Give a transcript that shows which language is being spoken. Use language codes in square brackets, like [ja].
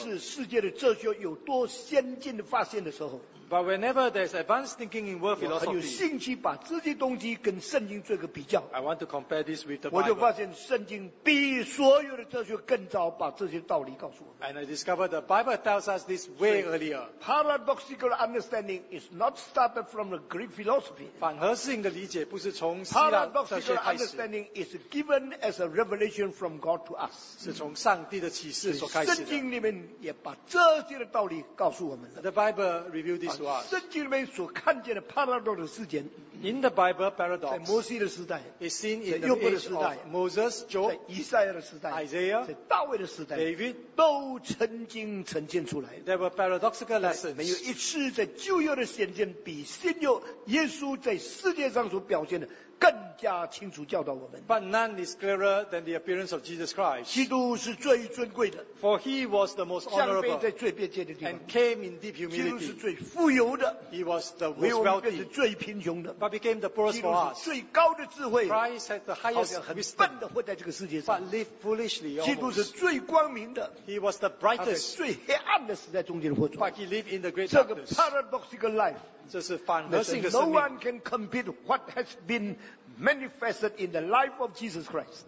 [zh] 每一次世界的哲学有多先进的发现的时候。 [en] But whenever there's advanced thinking in world philosophy， [zh] 我很有兴趣把这些东西跟圣经做个比较。 [en] I want to compare this with the Bible。 [zh] 我就发现圣经比所有的哲学更早把这些道理告诉我们。 [en] And I discovered the Bible tells us this way earlier。 Paradoxical understanding is not started from the Greek philosophy。 [zh] 反合性的理解不是从希腊哲学开始。 [en] Paradoxical understanding is given as a revelation from God to us。 [zh] 是从上帝的启示所开始的。圣经里面也把这些的道理告诉我们了。 [en] The Bible revealed。 [zh] 圣经里面所看见的 paradox 的事件 [en] ，in the Bible paradox， [zh] 在摩西的时代 [en] ，is seen in the age of Moses， [zh] 在以赛亚的时代 [en] ，Isaiah， [zh] 在大卫的时代 [en] ，David， [zh] 都曾经呈现出来。 [en] There were paradoxical lessons， [zh] 没有一次在旧约的显现比新约耶稣在世界上所表现的更加清楚教导我们。 [en] But none is clearer than the appearance of Jesus Christ。 [zh] 基督是最尊贵的。 [en] For he was the most honorable。 [zh] 降卑在最卑贱的地方。 [en] And came in deep humility。 [zh] 基督是最富有的。 [en] He was the most wealthy。 [zh] 为我们变成最贫穷的。 [en] But became the poorest for us。 [zh] 基督是最高的智慧。 [en] Christ had the highest wisdom。 [zh] 好像很笨的活在这个世界上。 [en] But lived foolishly almost。 [zh] 基督是最光明的。 [en] He was the brightest。 [zh] 他在最黑暗的时代中间活着。 [en] But he lived in the great darkness。这个 paradoxical life。 [zh] 这是反合性的 [en] 生命。No one can compete what has been manifested in the life of Jesus Christ。